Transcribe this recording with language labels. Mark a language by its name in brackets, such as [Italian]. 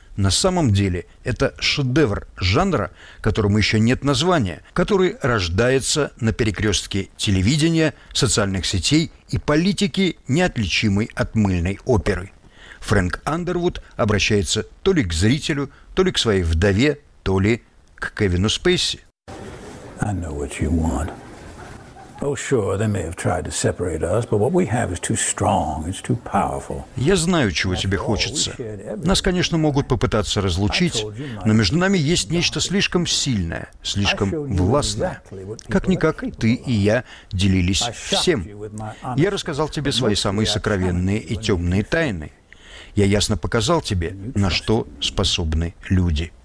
[Russian] На самом деле это шедевр жанра, которому еще нет названия, который рождается на перекрестке телевидения, социальных сетей и политики, неотличимой от мыльной оперы. Фрэнк Андервуд обращается то ли к зрителю, то ли к своей вдове, то ли к Кевину Спейси. [English] I know what you want. Oh, sure, they may have tried to separate us, but what we have is too strong, it's too powerful. [Russian] Я знаю, чего тебе хочется. Нас, конечно, могут попытаться разлучить, но между нами есть нечто слишком сильное, слишком властное. Как-никак, ты и я делились всем. Я рассказал тебе свои самые сокровенные и темные тайны. Я ясно показал тебе, на что способны люди.